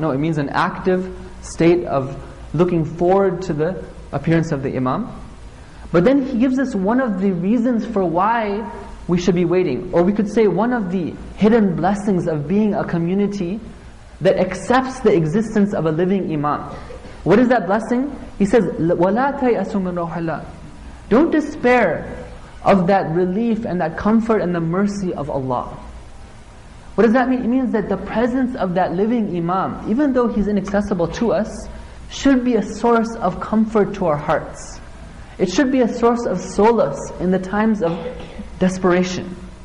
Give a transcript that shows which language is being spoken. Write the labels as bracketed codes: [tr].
[en] No, it means an active state of looking forward to the appearance of the Imam. But then he gives us one of the reasons for why we should be waiting. Or we could say one of the hidden blessings of being a community that accepts the existence of a living Imam. What is that blessing? He says, [ar] وَلَا تَيْأَسُ مِنْ رَوْحِ اللَّهِ. [en] Don't despair of that relief and that comfort and the mercy of Allah. What does that mean? It means that the presence of that living Imam, even though he's inaccessible to us, should be a source of comfort to our hearts. It should be a source of solace in the times of desperation.